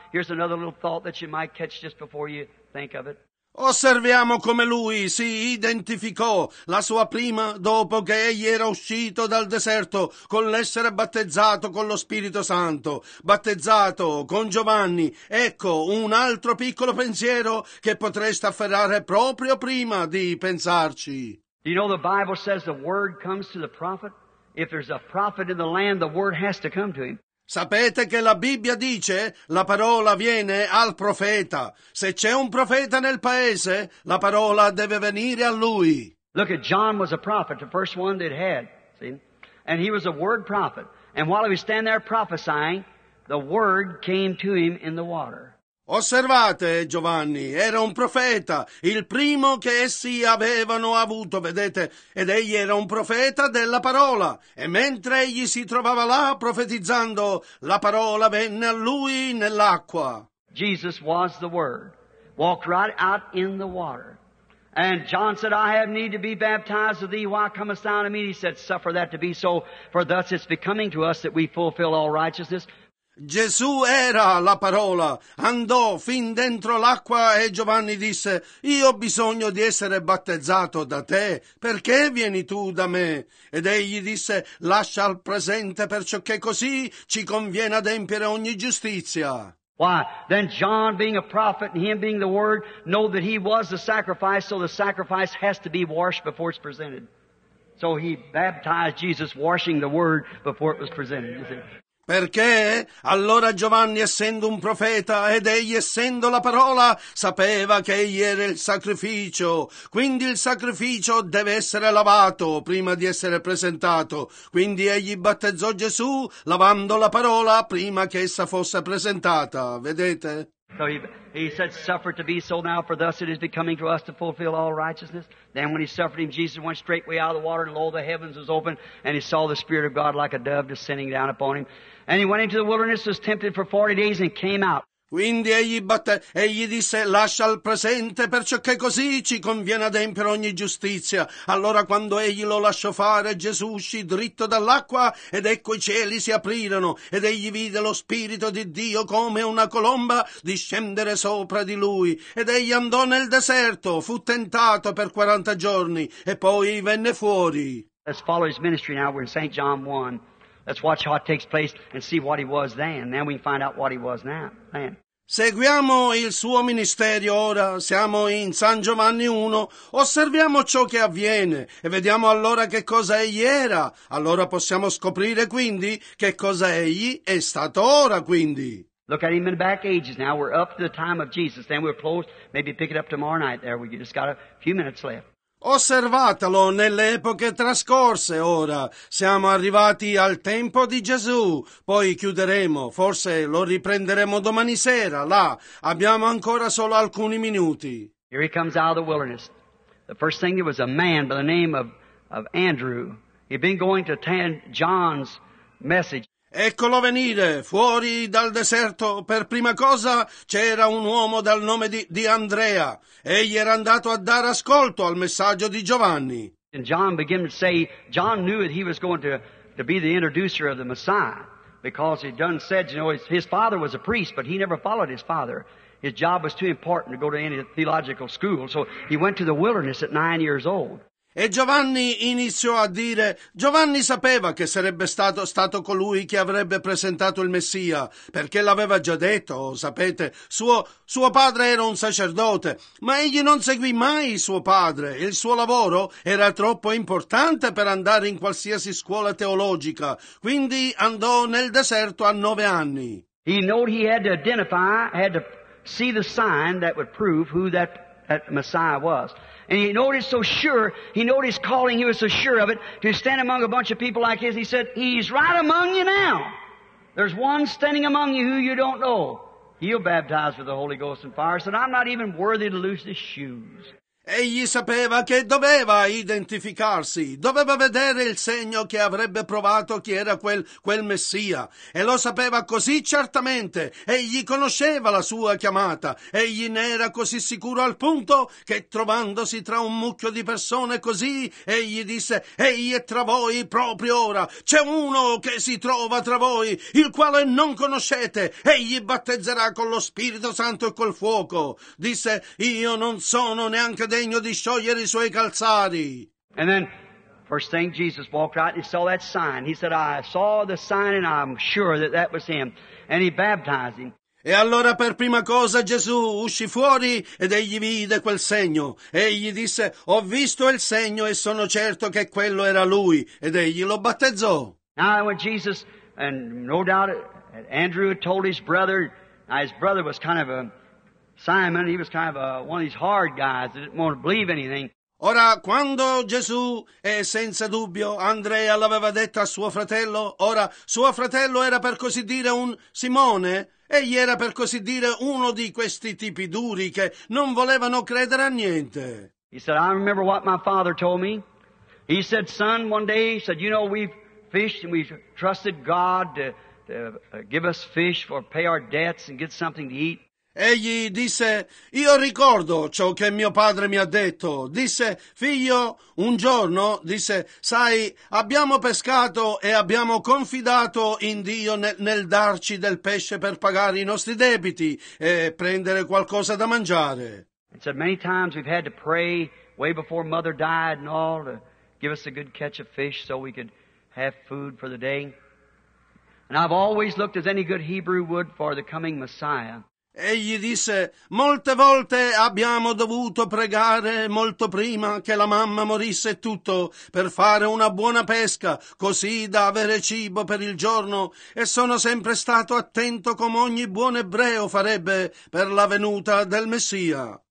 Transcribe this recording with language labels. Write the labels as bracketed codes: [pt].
[en] Here's another little thought that you might catch just before you think of it. [it] Osserviamo come lui si identificò la sua prima dopo che egli era uscito dal deserto con l'essere battezzato con lo Spirito Santo, battezzato con Giovanni. Ecco un altro piccolo pensiero che potreste afferrare proprio prima di pensarci. [en] You know the Bible says the word comes to the prophet. If there's a prophet in the land, the word has to come to him. [it] Sapete che la Bibbia dice la parola viene al profeta. Se c'è un profeta nel paese, la parola deve venire a lui. [en] Look at John was a prophet, the first one that had, see? And he was a word prophet. And while he was standing there prophesying, the word came to him in the water. [it] Osservate, Giovanni, era un profeta, il primo che essi avevano avuto, vedete, ed egli era un profeta della parola. E mentre egli si trovava là profetizzando, la parola venne a lui nell'acqua. [en] Jesus was the Word, walked right out in the water. And John said, I have need to be baptized of thee, why comest thou unto me? He said, suffer that to be so, for thus it's becoming to us that we fulfill all righteousness. [it] Gesù era la parola, andò fin dentro l'acqua e Giovanni disse, io ho bisogno di essere battezzato da te, perché vieni tu da me? Ed egli disse, lascia al presente, perciò che così ci conviene adempiere ogni giustizia. [en] Why? Then John being a prophet and him being the word, know that he was the sacrifice, so the sacrifice has to be washed before it's presented. So he baptized Jesus washing the word before it was presented. You see? [it] Perché? Allora Giovanni, essendo un profeta ed egli essendo la parola, sapeva che egli era il sacrificio. Quindi il sacrificio deve essere lavato prima di essere presentato. Quindi egli battezzò Gesù lavando la parola prima che essa fosse presentata. Vedete? [en] So he said, suffer to be so now, for thus it is becoming to us to fulfill all righteousness. Then when he suffered him, Jesus went straightway out of the water, and lo, the heavens was open, and he saw the Spirit of God like a dove descending down upon him. And he went into the wilderness, was tempted for 40 days, and came out. [it] Quindi egli disse, lascia il presente, perciò che così ci conviene adempiere ogni giustizia. Allora quando egli lo lasciò fare, Gesù uscì dritto dall'acqua, ed ecco i cieli si aprirono, ed egli vide lo Spirito di Dio come una colomba discendere sopra di lui. Ed egli andò nel deserto, fu tentato per 40 giorni, e poi venne fuori. [en] Let's follow his ministry now, we're in St. John 1. Let's watch how it takes place and see what he was then. Then we can find out what he was now. Then. [it] Seguiamo il suo ministerio ora. Siamo in San Giovanni 1. Osserviamo ciò che avviene e vediamo allora che cosa egli era. Allora possiamo scoprire quindi che cosa egli è stato ora quindi. [en] Look at him in the back ages now. We're up to the time of Jesus. Then we're close. Maybe pick it up tomorrow night there. We just got a few minutes left. [it] Osservatelo nelle epoche trascorse ora. Siamo arrivati al tempo di Gesù. Poi chiuderemo, forse lo riprenderemo domani sera, là. Abbiamo ancora solo alcuni minuti. [en] Here he comes out of the wilderness. The first thing, it was a man by the name of Andrew. He'd been going to attend John's message. [it] Eccolo venire fuori dal deserto. Per prima cosa c'era un uomo dal nome di Andrea. Egli era andato a dare ascolto al messaggio di Giovanni. [en] And John began to say, John knew that he was going to be the introducer of the Messiah, because he'd done said, you know, his father was a priest, but he never followed his father. His job was too important to go to any theological school, so he went to the wilderness at 9 years old. [it] E Giovanni iniziò a dire, Giovanni sapeva che sarebbe stato colui che avrebbe presentato il Messia, perché l'aveva già detto, sapete, suo padre era un sacerdote, ma egli non seguì mai suo padre, il suo lavoro era troppo importante per andare in qualsiasi scuola teologica, quindi andò nel deserto a 9 anni. [en] He knew he had to identify, had to see the sign that would prove who that Messiah was. And he noticed so sure, he noticed calling, he was so sure of it, to stand among a bunch of people like his. He said, he's right among you now. There's one standing among you who you don't know. He'll baptize with the Holy Ghost and fire. He said, I'm not even worthy to loose his shoes. [it] Egli sapeva che doveva identificarsi, doveva vedere il segno che avrebbe provato chi era quel Messia, e lo sapeva così certamente, egli conosceva la sua chiamata, egli ne era così sicuro al punto che trovandosi tra un mucchio di persone così, egli disse, egli è tra voi proprio ora, c'è uno che si trova tra voi, il quale non conoscete, egli battezzerà con lo Spirito Santo e col fuoco, disse, io non sono neanche degno di sciogliere i suoi calzari. [en] And then, first thing, Jesus walked out and saw that sign. He said, I saw the sign and I'm sure that that was him. And he baptized him. [it] E allora per prima cosa Gesù uscì fuori ed egli vide quel segno. Egli disse, ho visto il segno e sono certo che quello era lui. Ed egli lo battezzò. [en] Now when Jesus, and no doubt Andrew had told his brother, now his brother was kind of a Simon, he was kind of one of these hard guys that didn't want to believe anything. [it] Ora, quando Gesù, e senza dubbio, Andrea l'aveva detto a suo fratello, ora, suo fratello era per così dire un Simone, egli era per così dire uno di questi tipi duri che non volevano credere a niente. [en] He said, I remember what my father told me. He said, son, one day, he said, you know, we've fished and we've trusted God to give us fish for pay our debts and get something to eat. [it] Egli disse, io ricordo ciò che mio padre mi ha detto. Disse, figlio, un giorno, disse, sai, abbiamo pescato e abbiamo confidato in Dio nel darci del pesce per pagare i nostri debiti e prendere qualcosa da mangiare. [en] It said, many times we've had to pray way before mother died and all to give us a good catch of fish so we could have food for the day. And I've always looked as any good Hebrew would for the coming Messiah. [it] Egli disse, molte volte abbiamo dovuto pregare molto prima che la mamma morisse tutto per fare una buona pesca, così da avere cibo per il giorno, e sono sempre stato attento come ogni buon ebreo farebbe per la venuta del Messia.